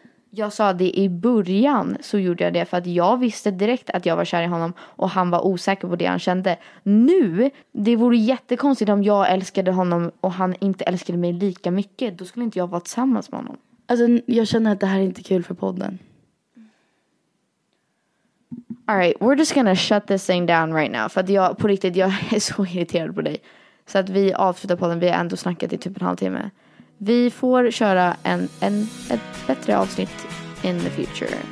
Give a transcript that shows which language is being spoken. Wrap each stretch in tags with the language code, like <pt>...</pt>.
<sv>Jag sa det i början, så gjorde jag det för att jag visste direkt att jag var kär i honom och han var osäker på det han kände. Nu, det vore jättekonstigt om jag älskade honom och han inte älskade mig lika mycket. Då skulle inte jag vara tillsammans med honom. Alltså, jag känner att det här är inte kul för podden.</sv> <en>All right, we're just gonna shut this thing down right now.</en> <sv>För att jag, på riktigt, jag är så irriterad på dig. Så att vi avslutar podden, vi har ändå snackat i typ en halvtimme. Vi får köra ett bättre avsnitt</sv> <en>in the future.</en>